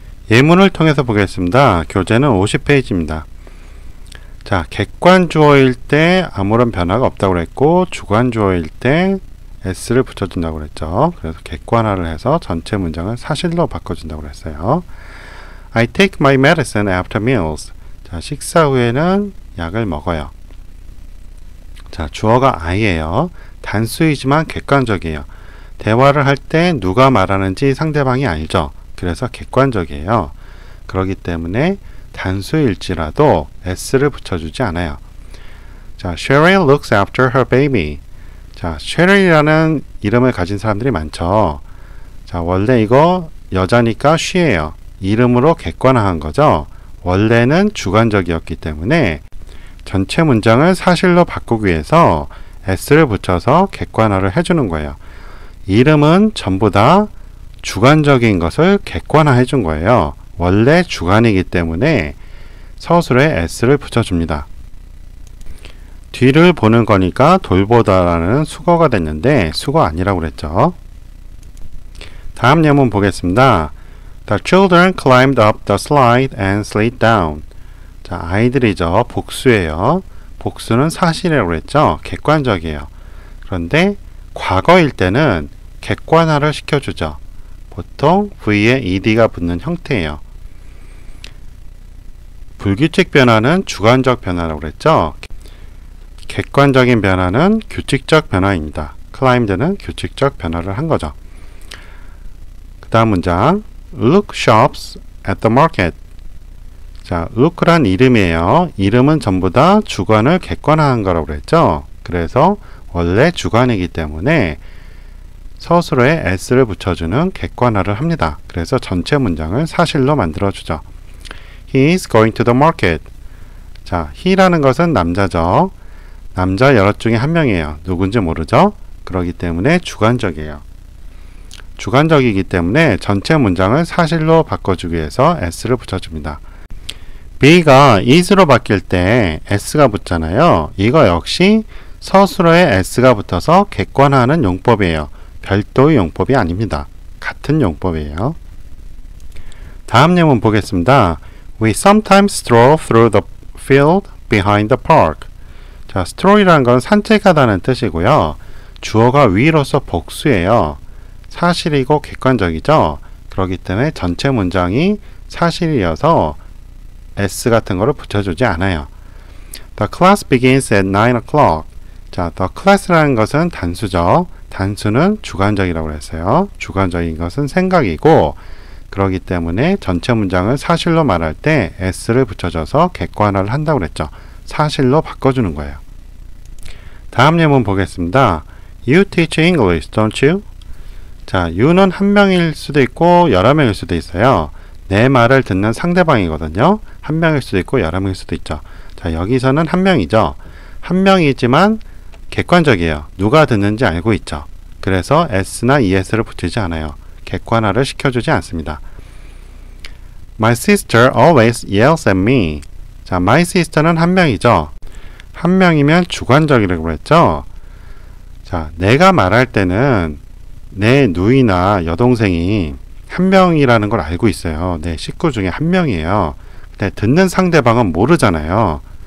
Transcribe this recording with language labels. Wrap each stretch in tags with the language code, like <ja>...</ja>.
<ko>예문을 통해서 보겠습니다. 교재는 50페이지입니다. 자, 객관 주어일 때 아무런 변화가 없다고 그랬고 주관 주어일 때 S를 붙여준다고 그랬죠. 그래서 객관화를 해서 전체 문장을 사실로 바꿔준다고 그랬어요.</ko> <en>I take my medicine after meals.</en> <ko>자, 식사 후에는 약을 먹어요. 자, 주어가 I예요. 단수이지만 객관적이에요. 대화를 할 때 누가 말하는지 상대방이 알죠. 그래서 객관적이에요. 그렇기 때문에 단수일지라도 S를 붙여주지 않아요.</ko> <en>자, Cheryl looks after her baby.</en> <ko>자, Cheryl이라는 이름을 가진 사람들이 많죠. 자, 원래 이거 여자니까 she예요. 이름으로 객관화한 거죠. 원래는 주관적이었기 때문에 전체 문장을 사실로 바꾸기 위해서 S를 붙여서 객관화를 해주는 거예요. 이름은 전부 다 주관적인 것을 객관화해 준 거예요. 원래 주관이기 때문에 서술에 S를 붙여줍니다. 뒤를 보는 거니까 돌보다라는 수거가 됐는데 수거 아니라고 그랬죠. 다음 예문 보겠습니다.</ko> <en>The children climbed up the slide and slid down.</en> <ko>자, 아이들이죠. 복수예요. 복수는 사실이라고 그랬죠. 객관적이에요. 그런데 과거일 때는 객관화를 시켜주죠. 보통 V에 ED가 붙는 형태예요. 불규칙 변화는 주관적 변화라고 그랬죠. 객관적인 변화는 규칙적 변화입니다. climbed는 규칙적 변화를 한 거죠. 그 다음 문장</ko> <en>look sharps at the market.</en> <ko>자, look란 이름이에요. 이름은 전부 다 주관을 객관화한 거라고 그랬죠. 그래서 원래 주관이기 때문에 서술어에 S를 붙여주는 객관화를 합니다. 그래서 전체 문장을 사실로 만들어주죠.</ko> <en>He is going to the market.</en> <ko>자, he라는 것은 남자죠. 남자 여럿 중에 한 명이에요. 누군지 모르죠. 그렇기 때문에 주관적이에요. 주관적이기 때문에 전체 문장을 사실로 바꿔주기 위해서 s를 붙여줍니다. be가 is로 바뀔 때 s가 붙잖아요. 이거 역시 서술어에 s가 붙어서 객관화하는 용법이에요. 별도의 용법이 아닙니다. 같은 용법이에요. 다음 예문 보겠습니다.</ko> <en>We sometimes stroll through the field behind the park.</en> <ko>자, stroll이라는 건 산책하다는 뜻이고요. 주어가 위로서 복수예요. 사실이고 객관적이죠. 그렇기 때문에 전체 문장이 사실이어서 s 같은 거를 붙여주지 않아요.</ko> <en>The class begins at 9 o'clock.</en> <ko>자, the class라는 것은 단수죠. 단수는 주관적이라고 했어요. 주관적인 것은 생각이고 그렇기 때문에 전체 문장을 사실로 말할 때 s를 붙여줘서 객관화를 한다고 그랬죠. 사실로 바꿔주는 거예요. 다음 예문 보겠습니다.</ko> <en>You teach English, don't you?</en> <ko>자, you는 한 명일 수도 있고 여러 명일 수도 있어요. 내 말을 듣는 상대방이거든요. 한 명일 수도 있고 여러 명일 수도 있죠. 자, 여기서는 한 명이죠. 한 명이지만 객관적이에요. 누가 듣는지 알고 있죠. 그래서 s나 es를 붙이지 않아요. 객관화를 시켜주지 않습니다.</ko> <en>My sister always yells at me.</en> <ko>자, my sister는 한 명이죠. 한 명이면 주관적이라고 했죠. 자, 내가 말할 때는 내 누이나 여동생이 한 명이라는 걸 알고 있어요. 내 식구 중에 한 명이에요. 근데 듣는 상대방은 모르잖아요.</ko>